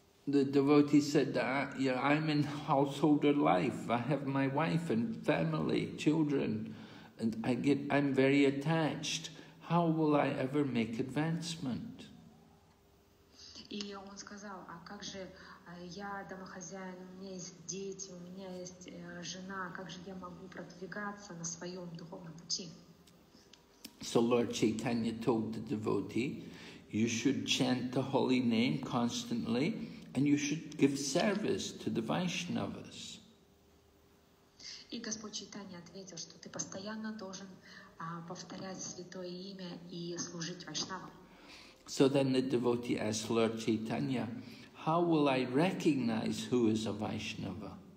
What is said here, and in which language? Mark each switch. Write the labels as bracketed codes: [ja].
[en] The devotee said that I'm in householder life. I have my wife and family, children, and I'm very attached. How will I ever make advancement? [ru] И он сказал, а как же я домохозяин, у меня есть дети, у меня есть жена, как же я могу продвигаться на своем духовном пути? [en] So Lord Chaitanya told the devotee, you should chant the holy name constantly and you should give service to the Vaishnavas. [ru] И Господь Чайтанья ответил, что ты постоянно должен повторять святое имя и служить вайшнавам. [en] So then the devotee asked Lord Chaitanya, how will I recognize who is a Vaishnava?